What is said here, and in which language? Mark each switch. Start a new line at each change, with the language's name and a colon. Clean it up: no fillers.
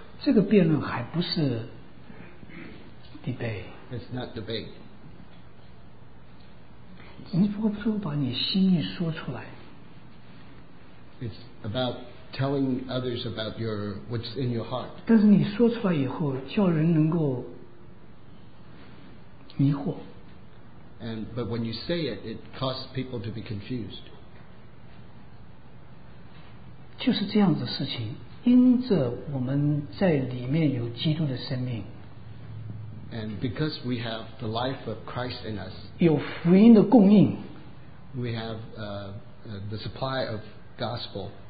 Chinese: 这个辩论还不是 debate.
English: It's not debate.
Chinese: 你不如把你心意说出来。
English: It's about telling others about your what's in your heart.
Chinese: 但是你说出来以后，叫人能够迷惑。
English: But when you say it, it causes people to be confused.
Chinese: 就是这样的事情，因着我们在里面有基督的生命。
English: And because we have the life of Christ in us,
Chinese: 有福音的供应,
English: we have the supply of gospel.